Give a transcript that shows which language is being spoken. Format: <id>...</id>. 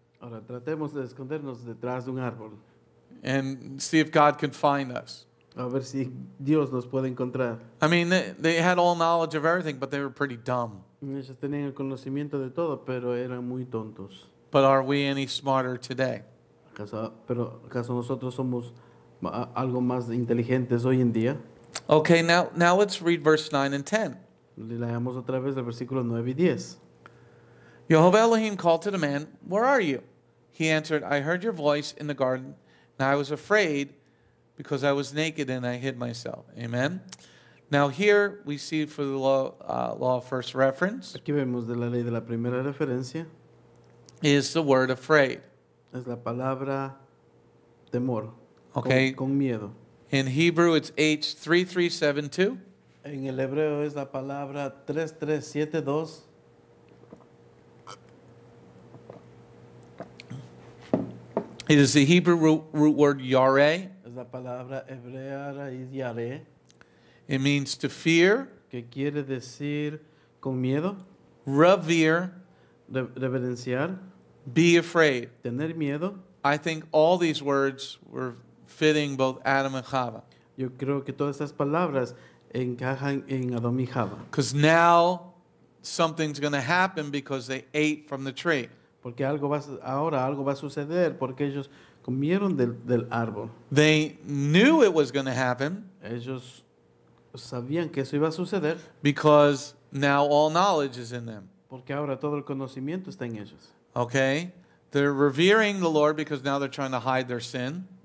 <es>Ahora tratemos de escondernos detrás de un árbol.</es> <en>And see if God can find us.</en> <es>A ver si Dios nos puede encontrar.</es> <en>I mean, they had all knowledge of everything, but they were pretty dumb.</en> <es>Ellos tenían el conocimiento de todo, pero eran muy tontos.</es> <en>But are we any smarter today?</en> <es>¿Acaso nosotros somos algo más inteligentes hoy en día?</es> <en>Okay, now let's read verse 9 and 10.</en> <es>Leamos otra vez el versículo 9 y 10.</es> <en>Jehovah Elohim called to the man, "Where are you?" He answered, "I heard your voice in the garden, and I was afraid because I was naked and I hid myself." Amen. Now here we see for the law of first reference.</en> <es>Aquí vemos de la ley de la primera referencia.</es> <en>Is the word afraid.</en> <es>Es la palabra temor.</es> <en>Okay.</en> <es>Con miedo.</es> <en>In Hebrew it's H3372.</en> <es>En el hebreo es la palabra 3372.</es> <en>It is the Hebrew root word yare.</en> <es>Es la palabra hebrea raíz yare.</es> <en>It means to fear.</en> <es>Que quiere decir con miedo.</es> <en>Revere.</en> <es>Reverenciar.</es> <en>Be afraid.</en> <es>Tener miedo.</es> <en>I think all these words were fitting both Adam and Eve.</en> <es>Yo creo que todas estas palabras encajan en Adam y Eve.</es> <en>Because now something's going to happen because they ate from the tree.</en> <es>Porque algo va a suceder porque ellos comieron del árbol.</es> <en>They knew it was going to happen.</en> <es>Ellos sabían que eso iba a suceder.</es> <en>Because now all knowledge is in them.</en> <es>Porque ahora todo el conocimiento está en ellos.</es> <en>Okay, they're revering the Lord because now they're trying to hide their sin.</en>